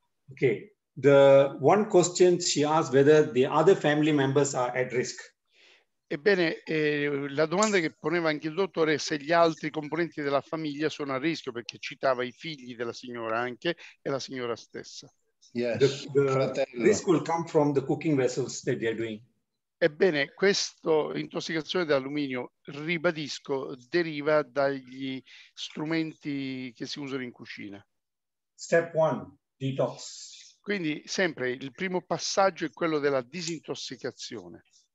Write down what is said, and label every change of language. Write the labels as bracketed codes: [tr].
[en] Ok, the one question she asked whether the other family members are at risk. [it] Ebbene, la domanda che poneva anche il dottore è se gli altri componenti della famiglia sono a rischio, perché citava i figli della signora anche e la signora stessa. [en] Yes, risk will come from the cooking vessels that they are doing. [it] Ebbene, questa intossicazione di alluminio, ribadisco, deriva dagli strumenti che si usano in cucina. [en] Step one, detox. [it] Quindi sempre il primo passaggio è quello della disintossicazione.